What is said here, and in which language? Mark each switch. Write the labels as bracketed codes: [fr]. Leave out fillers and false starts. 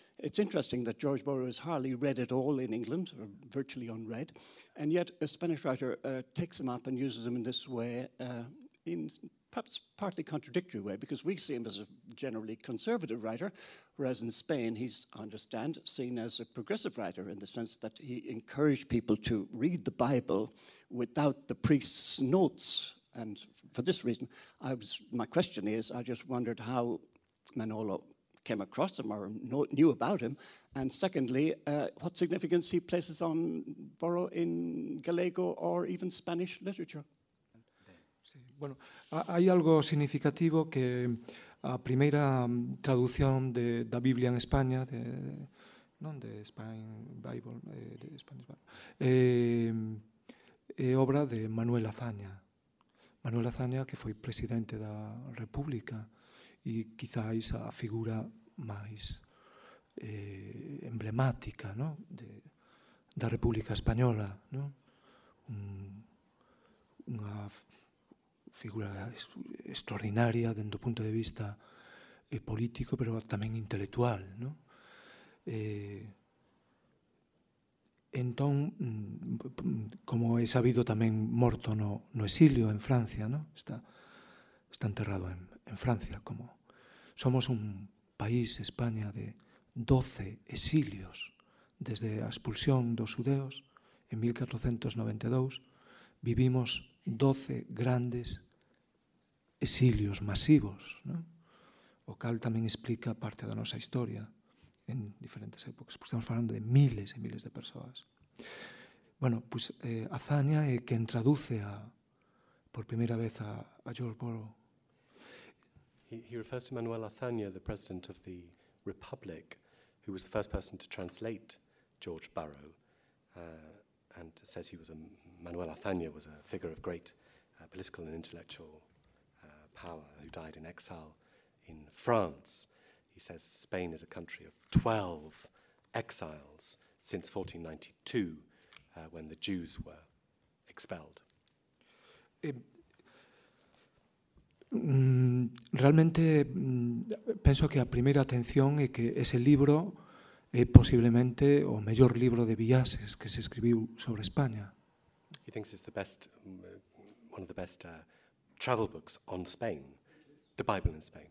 [en] It's interesting that George Borrow is hardly read at all in England, or virtually unread, and yet a Spanish writer takes him up and uses him in this way, in perhaps partly contradictory way, because we see him as a generally conservative writer, whereas in Spain he's, I understand, seen as a progressive writer in the sense that he encouraged people to read the Bible without the priest's notes. And for this reason, my question is, I just wondered how Manolo came across him or knew about him. And secondly, what significance he places on Borrow in Gallego or even Spanish literature. [es] Sí. Bueno, hay algo significativo que la primera traducción de la Biblia en España, de [en] Spanish Bible, [es] obra de Manuel Azaña. [gl] Manuel Azaña, que foi presidente da República e quizáis a figura máis emblemática, ¿no?, da República Española, ¿no? Unha figura extraordinaria dende o punto de vista político, pero tamén intelectual, ¿no? Entón, como é sabido, tamén morto no exilio en Francia, ¿no? Está enterrado en Francia. Como somos un país, España, de 12 exilios desde a expulsión dos xudeos en 1492, vivimos 12 grandes exilios masivos, ¿no? O cal tamén explica parte da nosa historia en diferentes épocas. Pues estamos falando de miles e miles de persoas. Bueno, pues Azaña é quen traduce por primeira vez a George Borrow. [en] He refers to Manuel Azaña, the president of the Republic, who was the first person to translate George Borrow, and says he was Manuel Azaña was a figure of great political and intellectual power who died in exile in France. He He says Spain is a country of 12 exiles since 1492, when the Jews were expelled. [es] Realmente pienso que a primera atención es que ese libro es posiblemente o mejor libro de Biases que se escribió sobre España. [en] He thinks it's the best, one of the best travel books on Spain, the Bible in Spain.